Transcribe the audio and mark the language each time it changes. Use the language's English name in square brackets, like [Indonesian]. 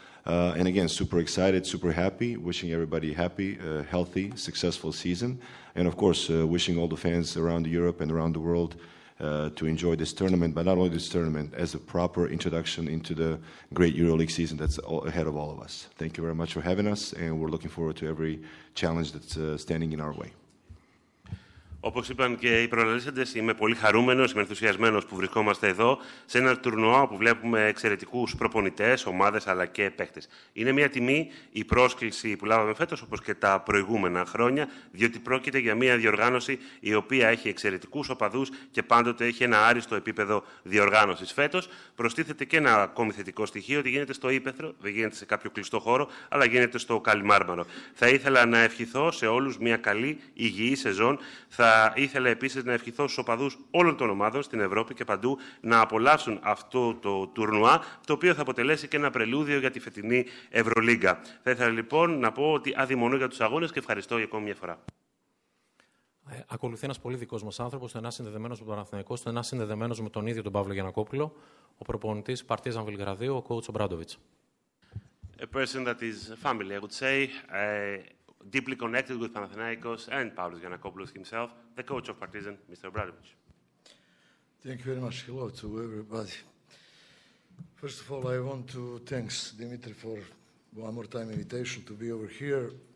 [English] And again, super excited, super happy, wishing everybody happy, healthy, successful season. And of course, wishing all the fans around Europe and around the world to enjoy this tournament, but not only this tournament, as a proper introduction into the great EuroLeague season that's ahead of all of us. Thank you very much for having us, and we're looking forward to every challenge that's standing in our way. [Greek] Όπως είπαν και οι προαναλύσαντες, είμαι πολύ χαρούμενος, είμαι ενθουσιασμένος που βρισκόμαστε εδώ σε ένα τουρνουά που βλέπουμε εξαιρετικούς προπονητές, ομάδες αλλά και παίκτες. Είναι μια τιμή η πρόσκληση που λάβαμε φέτος όπως και τα προηγούμενα χρόνια, διότι πρόκειται για μια διοργάνωση η οποία έχει εξαιρετικούς οπαδούς και πάντοτε έχει ένα άριστο επίπεδο διοργάνωσης. Φέτος προστίθεται και ένα ακόμη θετικό στοιχείο ότι γίνεται στο ύπαιθρο, δεν γίνεται σε κάποιο κλειστό χώρο, αλλά γίνεται στο Καλλιμάρμαρο. Θα ήθελα να ευχηθώ σε όλους μια καλή, υγιή σεζόν. Θα ήθελα επίσης να ευχηθώ στους οπαδούς όλων των ομάδων στην Ευρώπη και παντού να απολαύσουν αυτό το τουρνουά, το οποίο θα αποτελέσει και ένα πρελούδιο για τη φετινή Ευρωλίγκα. Θα ήθελα λοιπόν να πω ότι αδειμονώ για τους αγώνες και ευχαριστώ για ακόμη μια φορά. Ακολουθεί ένας πολύ δικός μας άνθρωπος, ένας συνδεδεμένος με τον Παναθηναϊκό, ένας συνδεδεμένος με τον ίδιο τον Παύλο Γιαννακόπουλο, ο προπονητής Παρτίζαν Βελιγραδίου, ο κόουτς Ομπράντοβιτς. [English] A person that is family, I would say. Deeply connected with Panathinaikos and Pavlos Giannakopoulos himself, the coach of Partizan, Mr. Obradovic. Thank you very much. Hello to everybody. First of all, I want to thank Dimitri for one more time invitation to be over here.